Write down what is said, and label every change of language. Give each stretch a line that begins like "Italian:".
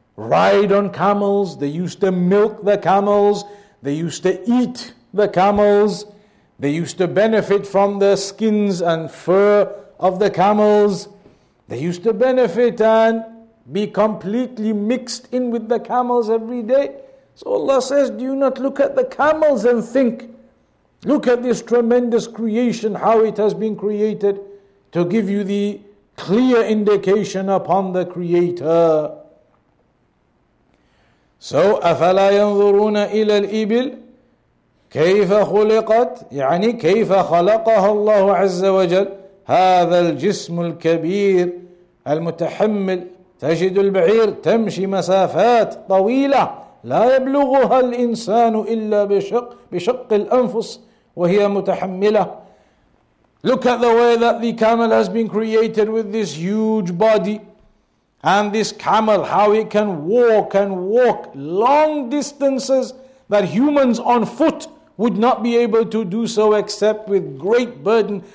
English: ride on camels, they used to milk the camels, they used to eat the camels, they used to benefit from the skins and fur of the camels, they used to benefit and be completely mixed in with the camels every day. So Allah says, do you not look at the camels and think, look at this tremendous creation, how it has been created, to give you the clear indication upon the Creator.
Arabic: So, أَفَلَا يَنظُرُونَ إِلَى الْإِبِلِ كَيْفَ خُلِقَتْ يعني كَيْفَ خَلَقَهَا اللَّهُ عَزَّ وَجَلَّ هذا الجسم الكبير المتحمل تجد البعير تمشي مسافات طويلة لا يبلغها الإنسان إلا بشق الأنفس وهي متحملة.
English: Look at the way that the camel has been created with this huge body. And this camel, how it can walk and walk long distances that humans on foot would not be able to do so except with great burden.